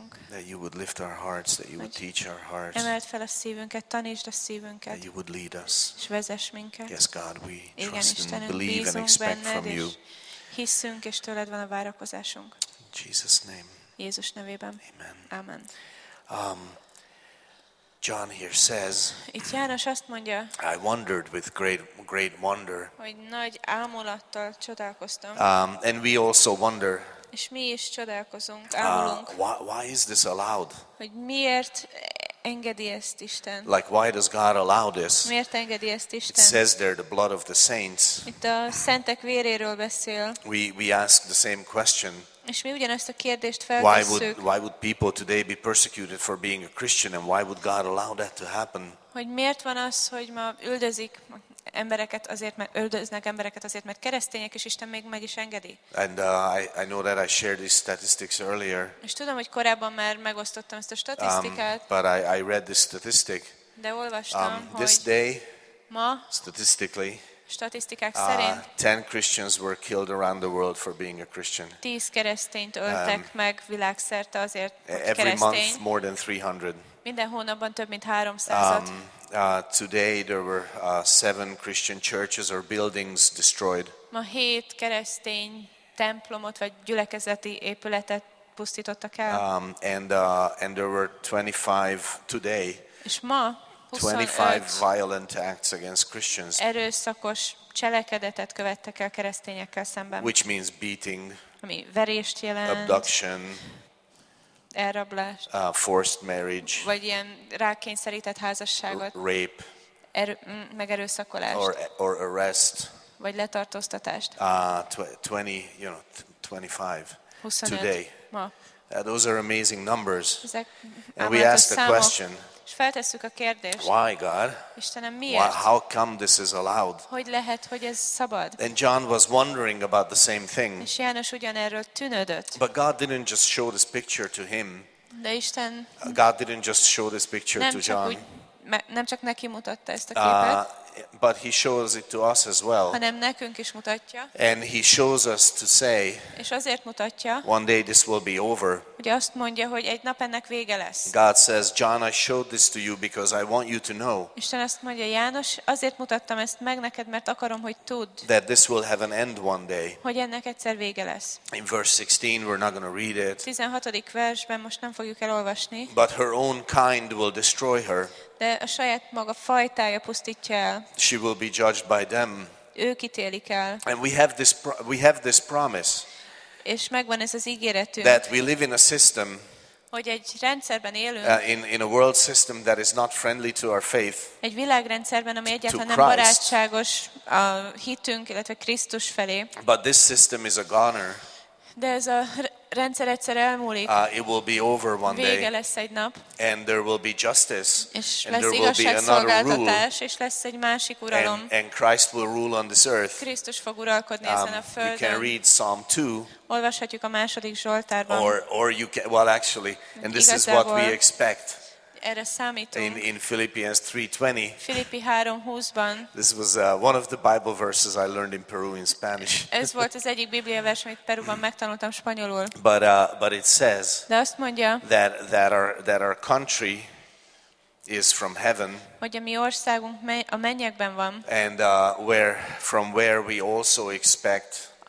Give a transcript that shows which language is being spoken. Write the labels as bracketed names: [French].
[English] That you would lift our hearts, that you would teach our hearts. [Hungarian] Emeld fel a szívünket, tanítsd a szívünket. [English] That you would lead us. [Hungarian] És vezess minket. [English] Yes, God, we trust and believe and expect from you. [Hungarian] Hiszünk és tőled van a várakozásunk. [English] In Jesus' name. [Hungarian] Jézus nevében. [English] Amen. [Hungarian] Amen. [English] John here says. [Hungarian] Itt János azt mondja. [English] I wondered with great wonder. [Hungarian] Hogy nagy ámulattal csodálkoztam. [English] And we also wonder. [Hungarian] És mi is csodálkozunk, ámulunk. [English] Why is this allowed? [Hungarian] Hogy miért engedi ezt Isten? [English] Like why does God allow this? [Hungarian] Miért engedi ezt Isten? [English] It says there the blood of the saints. [Hungarian] Itt a szentek véréről beszél. [English] We ask the same question. [Hungarian] És mi ugyanezt a kérdést feltesszük. [English] Why would people today be persecuted for being a Christian and why would God allow that to happen? [Hungarian] Hogy miért van az, hogy ma üldözik embereket azért, mert öldöznek embereket azért, mert keresztények, és Isten még meg is engedi. [English] And I know that I shared these statistics earlier. [Hungarian] És tudom, hogy korábban már megosztottam ezt a statisztikát. [English] But I read this statistic. [Hungarian] De olvastam, hogy [English] this day, [Hungarian] ma, [English] statistically, [Hungarian] statisztikák szerint, [English] 10 Christians were killed around the world for being a Christian. [Hungarian] 10 keresztényt öltek meg világszerte azért, hogy keresztény. [English] Every month more than 300. [Hungarian] Minden hónapban több mint 300-at. [English] Today there were 7 Christian churches or buildings destroyed. [Hungarian] Ma 7 keresztény templomot vagy gyülekezeti épületet pusztítottak el. [English] And there were 25 today. [Hungarian] És ma [English] 25 violent acts against Christians. [Hungarian] Erőszakos cselekedetet követtek el keresztényekkel szemben. [English] Which means beating. [Hungarian] Ami verést jelent. [English] Abduction. [Hungarian] Elrablást. [English] Forced marriage. [Hungarian] Vagy ilyen rákényszerített házasságot. [English] Rape. [Hungarian] Megerőszakolást. [English] Or arrest. [Hungarian] Vagy letartóztatást. [English] 25 today. [Hungarian] Ma. [English] Those are amazing numbers. [Hungarian] Ezek [English] and we ask the question. [Hungarian] És feltesszük a kérdést. [English] Why God? [Hungarian] Istenem, miért? [English] How come this is allowed? [Hungarian] Hogy lehet, hogy ez szabad? [English] And John was wondering about the same thing. [Hungarian] És János ugyanerről tűnődött. [English] But God didn't just show this picture to him. [Hungarian] De Isten. [English] God didn't just show this picture to John. [Hungarian] Nem csak neki mutatta ezt a képet. [English] But he shows it to us as well. [Hungarian] Hanem nekünk is mutatja. [English] And he shows us to say. [Hungarian] És azért mutatja. [English] One day this will be over. [Hungarian] Ugye azt mondja, hogy egy nap ennek vége lesz. [English] God says, John, I showed this to you because I want you to know. [Hungarian] Isten azt mondja, János, azért mutattam ezt meg neked, mert akarom, hogy tudd. [English] That this will have an end one day. [Hungarian] Hogy ennek egyszer vége lesz. [English] In verse 16, we're not going to read it. [Hungarian] 16. versben most nem fogjuk elolvasni. [English] But her own kind will destroy her. [Hungarian] De a saját maga fajtája pusztítja el. [English] She will be judged by them. [Hungarian] Ők ítélik el. [English] And we have this promise. [Hungarian] És megvan ez az ígéretünk. [English] That we live in a system. [Hungarian] Hogy egy rendszerben élünk. [English] In a world system that is not friendly to our faith. [Hungarian] Egy világrendszerben, ami egyáltalán nem barátságos a hitünk, illetve Krisztus felé. [English] But this system is a goner. [Hungarian] De ez a rendszer egyszer elmúlik. [English] It will be over one day. [Hungarian] Vége lesz egy nap. [English] And there will be justice. [Hungarian] És lesz igazságszolgáltatás, és lesz egy másik uralom. [English] And Christ will rule on this earth. [Hungarian] Krisztus fog uralkodni ezen a földön. [English] You can read Psalm 2. [Hungarian] Olvashatjuk a második Zsoltárban. [English] Or you can, well actually, and this is what we expect. [Hungarian] Erre számítunk. [English] In Philippians 3:20. [Hungarian] Filippi 3:20-ban. [English] This was one of the Bible verses I learned in Peru in Spanish. [Hungarian] Ez volt az egyik Biblia vers, amit Perúban megtanultam spanyolul. [English] But it says. [Hungarian] De azt mondja. [English] That our country is from heaven. [Hungarian] Hogy a mi országunk a mennyekben van. [English] And from where we also expect.